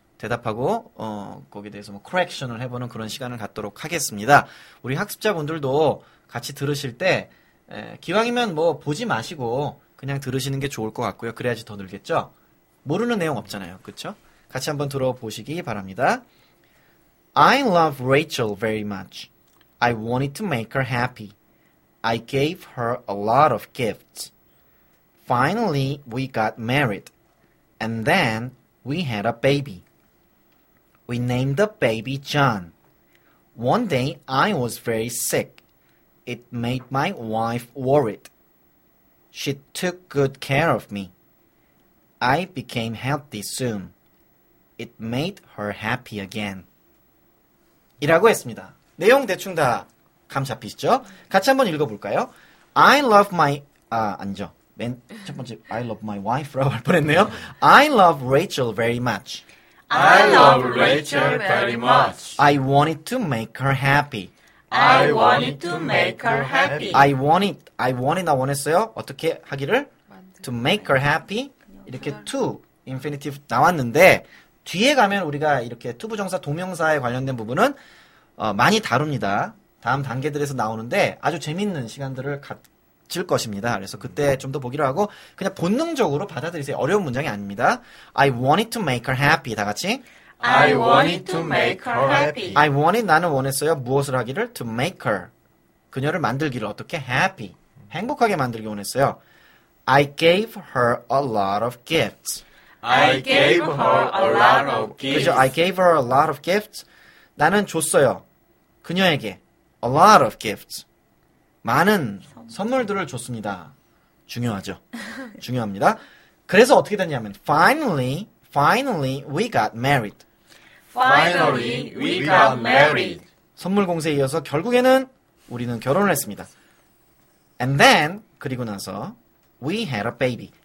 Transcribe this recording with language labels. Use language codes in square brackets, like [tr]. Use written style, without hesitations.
[ko] 대답하고 거기에 대해서 뭐 코렉션을 해보는 그런 시간을 갖도록 하겠습니다. 우리 학습자분들도 같이 들으실 때 기왕이면 뭐 보지 마시고 그냥 들으시는 게 좋을 것 같고요. 그래야지 더 늘겠죠. 모르는 내용 없잖아요. 그렇죠? 같이 한번 들어보시기 바랍니다. [en] I love Rachel very much. I wanted to make her happy. I gave her a lot of gifts. Finally, we got married. And then we had a baby. We named the baby John. One day, I was very sick. It made my wife worried. She took good care of me. I became healthy soon. It made her happy again. [ko] 이라고 했습니다. 내용 대충 다 감 잡히시죠? 같이 한번 읽어볼까요? [en] I love my... [ko] 앉아. 맨 첫 번째 [en] I love my wife [ko] 라고 할 뻔했네요. [en] I love Rachel very much. I love Rachel very much. I wanted to make her happy. I wanted to make her happy. I wanted, [ko] 나 원했어요. 어떻게 하기를? [en] To make her happy. [ko] 이렇게 to, infinitive 나왔는데 뒤에 가면 우리가 이렇게 to 부정사, 동명사에 관련된 부분은 많이 다룹니다. 다음 단계들에서 나오는데 아주 재밌는 시간들을 가질 것입니다. 그래서 그때 좀 더 보기로 하고 그냥 본능적으로 받아들이세요. 어려운 문장이 아닙니다. [en] I wanted to make her happy. [ko] 다 같이. [en] I wanted to make her happy. I wanted, [ko] 나는 원했어요. 무엇을 하기를? [en] To make her. [ko] 그녀를 만들기를 어떻게? [en] Happy. [ko] 행복하게 만들기 원했어요. [en] I gave her a lot of gifts. I gave her a lot of gifts. 그죠? I gave her a lot of gifts. [ko] 나는 줬어요. 그녀에게. [en] A lot of gifts. [ko] 많은 선물들을 줬습니다. 중요하죠. 중요합니다. 그래서 어떻게 됐냐면 [en] finally we got married. Finally we got married. [ko] 선물 공세에 이어서 결국에는 우리는 결혼을 했습니다. [en] And then [ko] 그리고 나서 [en] we had a baby.